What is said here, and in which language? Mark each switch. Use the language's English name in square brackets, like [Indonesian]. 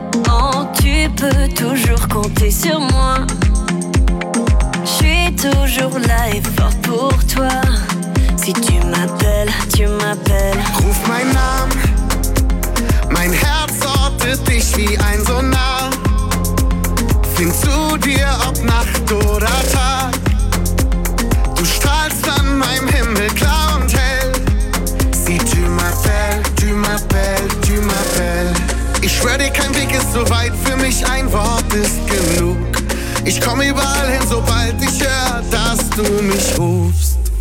[French] Oh, tu peux toujours compter sur moi. Je suis toujours là et fort pour toi. Si Si tu m'appelles, tu m'appelles. [German] Ruf meinen Namen. Mein Herz ortet dich wie ein Sonar. Find zu dir, ob Nacht oder Tag. Du strahlst an meinem Himmel klar und hell. [French] Si tu m'appelles, tu m'appelles, tu m'appelles. [German] Ich schwör dir, kein Weg ist so weit. Für mich ein Wort ist genug. Ich komm überall hin, sobald ich hör, dass du mich rufst.